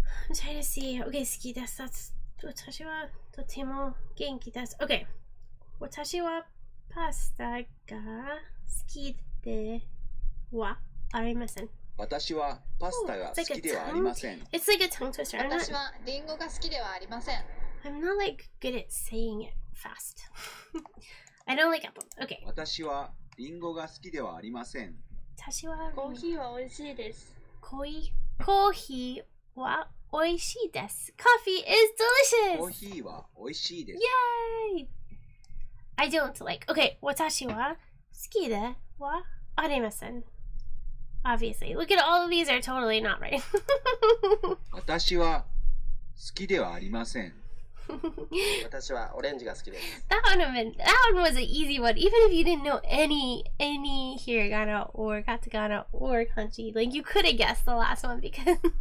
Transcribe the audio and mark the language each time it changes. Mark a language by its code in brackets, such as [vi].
[en] I'm trying to see. Okay, 好きです。That's... [ja] 私はとても元気です。 [en] Okay. [ja] 私はパスタが好きではありません。私はパスタが好きではありません。 [en] It's like a tongue twister. [ja] 私はリンゴが好きではありません。 [en] I'm not like good at saying it fast. I don't like apples. Okay. [ja] 私はリンゴが好きではありません。私はコーヒーは美味しいです。コーヒーは美味しいです。 [en] Coffee is delicious! [ja] コーヒーは美味しいです。 [en] Yay! I don't like. Okay, [ja] 私は好きではありません。 [en] Obviously. Look at all of these are totally not right. [ja] 私は好きではありません。私はオレンジが好きです。 [en] That one was an easy one. Even if you didn't know any hiragana or katakana or kanji, like you could have guessed the last one because...